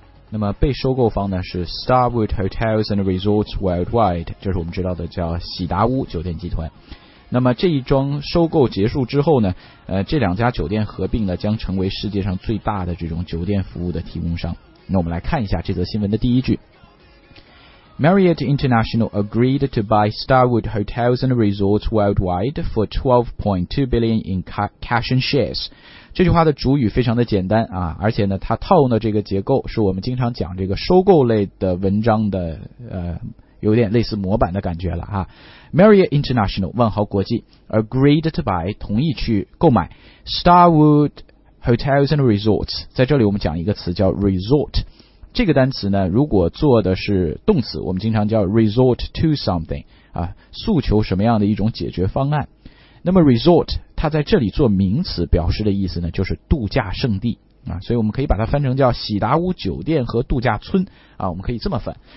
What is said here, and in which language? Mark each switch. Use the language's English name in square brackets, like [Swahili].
[Chinese] 那么被收购方呢是 Starwood Hotels and Resorts Worldwide， 就是我们知道的叫喜达屋酒店集团。那么这一桩收购结束之后呢，这两家酒店合并呢将成为世界上最大的这种酒店服务的提供商。那我们来看一下这则新闻的第一句。 [English] Marriott International agreed to buy Starwood Hotels and Resorts Worldwide for $12.2 billion in cash and shares. [Chinese] 这句话的主语非常的简单啊，而且呢它套用的这个结构是我们经常讲这个收购类的文章的有点类似模板的感觉了啊。 Marriott International 万豪国际 [English] agreed to buy [Chinese] 同意去购买 Starwood Hotels and Resorts， 在这里我们讲一个词叫 resort。这个单词呢如果做的是动词，我们经常叫 [English] resort to something [Chinese] 啊，诉求什么样的一种解决方案。那么 resort 它在这里做名词表示的意思呢就是度假胜地啊，所以我们可以把它翻成叫喜达屋酒店和度假村啊，我们可以这么翻。